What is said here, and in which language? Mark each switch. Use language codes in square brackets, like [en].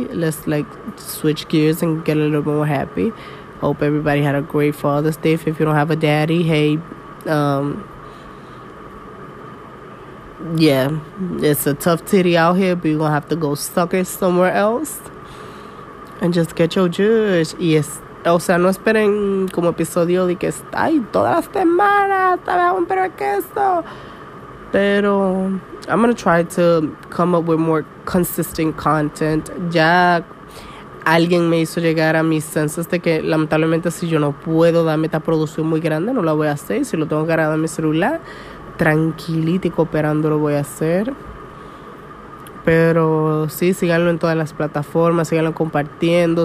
[en] Let's like switch gears and get a little more happy. Hope everybody had a great Father's Day. If you don't have a daddy, hey, yeah, it's a tough titty out here, but you're gonna have to go suck it somewhere else and just get your juice. [es] Y es, o sea, no esperen como episodio de que está ahí todas las semanas, ¿sabes? Un perro queso. [en] Pero I'm gonna try to come up with more consistent content. [es] Ya alguien me hizo llegar a mis senses de que lamentablemente si yo no puedo darme esta producción muy grande, no la voy a hacer. Si lo tengo grabado en mi celular, tranquilito y cooperando lo voy a hacer. Pero sí, síganlo en todas las plataformas, síganlo compartiendo.